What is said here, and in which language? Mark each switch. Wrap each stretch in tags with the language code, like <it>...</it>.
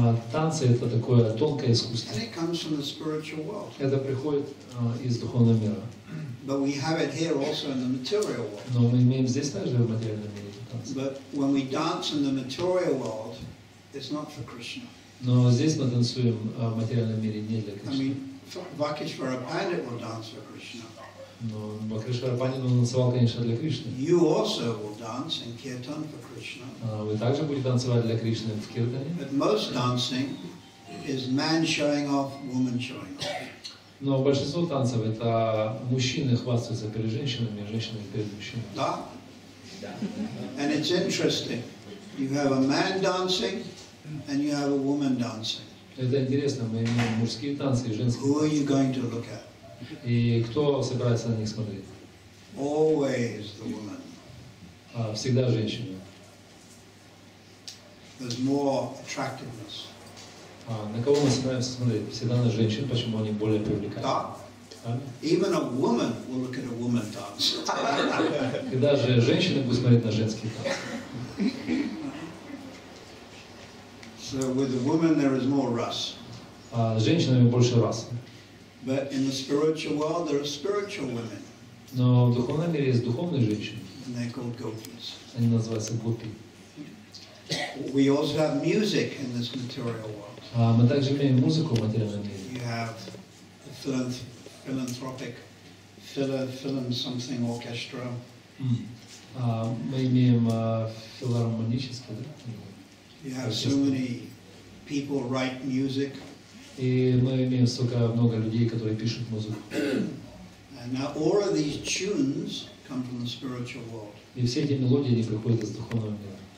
<ru>Танцы это такое тонкое искусство.</ru> <en>And it comes from the spiritual world.</en> <ru>Это приходит из духовного мира.</ru> <en>But we have it here also in the material world.</en> <ru>Но мы имеем здесь также в материальном мире.</ru> <en>But when we dance in the material world, it's not for Krishna.</en> <ru>Но здесь мы танцуем в материальном мире не для Кришны.</ru> <en>I mean, Vakishvara Pandit will dance for Krishna.</en> <ru>Но Вакришвара Пандит он танцевал, конечно, для Кришны.</ru> <en>You also will dance in kirtan for Krishna.</en> <ru>Вы также будете танцевать для Кришны в киртане.</ru> <en>But most dancing is man showing off, woman showing off.</en> <ru>Но большинство танцев это мужчины хвастаются перед женщинами, женщины перед мужчинами.</ru> <en>Да. And it's interesting. You have a man dancing and you have a woman dancing.</en> <ru>Это интересно, мы имеем мужские танцы и женские.</ru> <en>Who are you going to look at?</en> <ru>И кто собирается на них смотреть?</ru> <en>Always the woman.</en> <ru>Всегда женщина.</ru> <en>There's more attractiveness.</en> <ru>А на кого мы стараемся смотреть? Всегда на женщин, почему они более привлекательны? Да. А? Когда же женщины будут смотреть на женские танцы?</ru> <en>So with the woman there is more rust.</en> <ru>А с женщинами больше раса.</ru> <en>But in the spiritual world there are spiritual women.</en> <ru>Но в духовном мире есть духовные женщины.</ru> <en>And they're called gopis.</en> <ru>Они называются гопи.</ru> <en>We also have music in this material world.</en> <ru>А мы также имеем музыку в материальном мире.</ru> <en>You have a philanthropic film something orchestra.</en> <ru>Мы имеем филармоническое, да?</ru> <en>You have so many people write music.</en> <ru>И мы имеем столько много людей, которые пишут музыку.</ru> <en>And now all of these tunes come from the spiritual world.</en> <ru>И все эти мелодии они приходят из духовного мира.</ru>